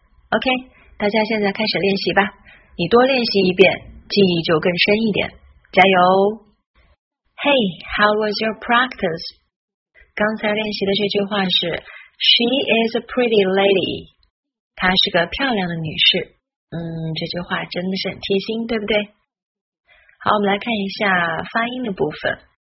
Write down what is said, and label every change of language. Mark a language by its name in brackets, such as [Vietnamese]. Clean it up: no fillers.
[Chinese] OK，大家现在开始练习吧，你多练习一遍，记忆就更深一点，加油。 [English] Hey, how was your practice? [Chinese] 刚才练习的这句话是 [English] "She is a pretty lady"， [Chinese] 她是个漂亮的女士。嗯，这句话真的是很贴心，对不对？好，我们来看一下发音的部分。